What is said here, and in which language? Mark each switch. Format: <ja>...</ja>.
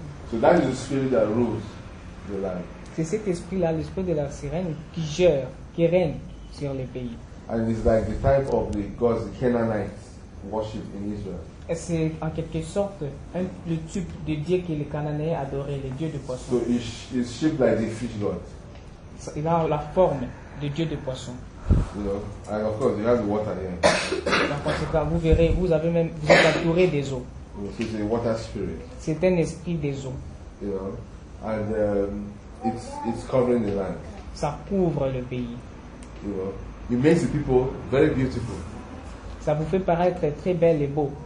<en>So that is the spirit that rules the land.</en> <fr>C'est cet esprit-là, l'esprit de la sirène, qui gère, qui règne sur les pays.</fr> <en>And it's like the type of the gods, the Canaanites worship in Israel.</en> <fr>Et c'est en quelque sorte le type de dieu que les Cananéens adoraient, les dieux de poissons.</fr> <en>So it's shaped like the fish god.</en> <fr>Il a la forme de dieu de poissons.</fr> <en>And of course, you have the water there.</en> <fr>En conséquence, vous verrez, vous êtes entouré des eaux.</fr> <en>So it's a water spirit.</en> <fr>C'est un esprit des eaux.</fr> <en>And it's covering the land.</en> <fr>Ça couvre le pays.</fr> <en>It makes the people very beautiful.</en> <fr>Ça vous fait paraître très belle et beau.</fr>